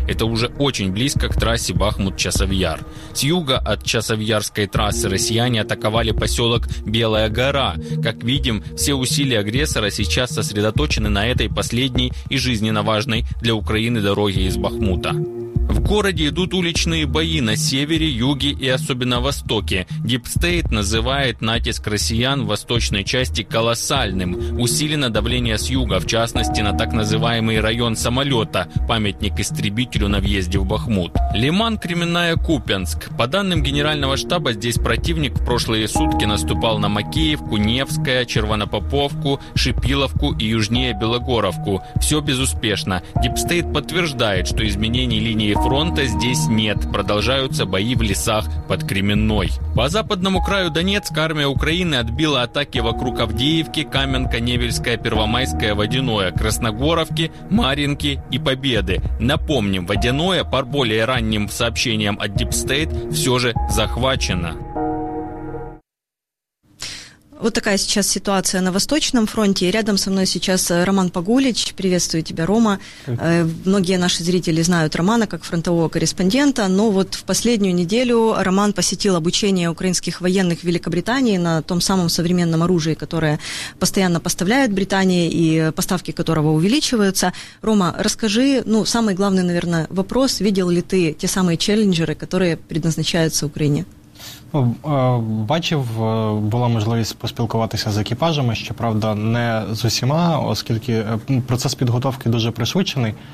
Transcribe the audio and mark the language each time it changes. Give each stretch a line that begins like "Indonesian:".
Russian: Это уже очень близко к трассе Бахмут-Часовьяр. С юга от Часовьярской трассы россияне атаковали поселок Белая гора. Как видим, все усилия агрессора сейчас сосредоточены на этой последней и жизненно важной для Украины дороге из Бахмута. В городе идут уличные бои на севере, юге и особенно востоке. Deep State называет натиск россиян в восточной части колоссальным. Усилено давление с юга, в частности, на так называемый район самолета, памятник истребителю на въезде в Бахмут. Лиман, Кременная, Купянск. По данным Генерального штаба, здесь противник в прошлые сутки наступал на Макеевку, Невское, Червонопоповку, Шипиловку и южнее Белогоровку. Все безуспешно. Deep State подтверждает, что изменений линии фронта здесь нет. Продолжаются бои в лесах под Кременной. По западному краю Донецка армия Украины отбила атаки вокруг Авдеевки, Каменка, Невельская, Первомайская, Водяное, Красногоровки, Маринки и Победы. Напомним, Водяное, по более ранним сообщениям от Deep State, все же захвачено. Вот такая сейчас ситуация на Восточном фронте. Рядом со мной сейчас Роман Погулич. Приветствую тебя, Рома. Многие наши зрители знают Романа как фронтового корреспондента, но вот в последнюю неделю Роман посетил обучение украинских военных в Великобритании на том самом современном оружии, которое постоянно поставляет Британия и поставки которого увеличиваются. Рома, расскажи, ну, самый главный, наверное, вопрос. Видел ли ты те самые челленджеры, которые предназначаются Украине?
Ukrainian: Бачив, була можливість поспілкуватися з екіпажами, щоправда, не з усіма, оскільки процес підготовки дуже пришвидшений.